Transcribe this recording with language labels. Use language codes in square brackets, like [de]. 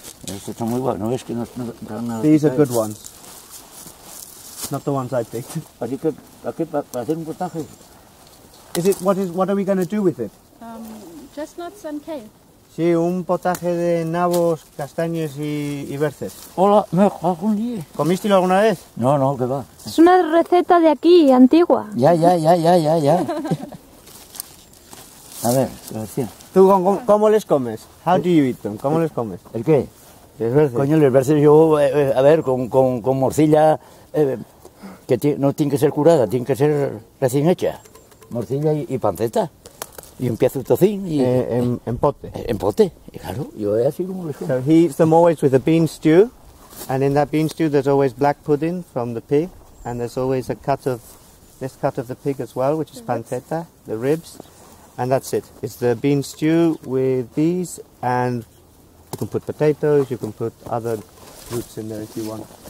[en] These are good ones. Not the ones I picked. What are we going to do with it? Chestnuts and kale. [es] Sí, un potaje de nabos, castañas y berces. Hola, me cago un día. ¿Comístelo alguna vez? No, que va. Es una receta de aquí, antigua. Ya. A ver, gracias. ¿Tú cómo les comes? [en] How do you eat them? [es] ¿Cómo les comes? ¿El qué? ¿Les verces? Coño, les verces yo, a ver, con morcilla, que no tiene que ser curada, tiene que ser recién hecha. Morcilla y panceta. Y un piezo de tocín. Y, en pote. En pote, y claro, yo es así como les como. [en] So he eats them always with a bean stew, and in that bean stew there's always black pudding from the pig, and there's always a cut of this cut of the pig as well, which is panceta, the ribs. And that's it. It's the bean stew with these, and you can put potatoes, you can put other roots in there if you want.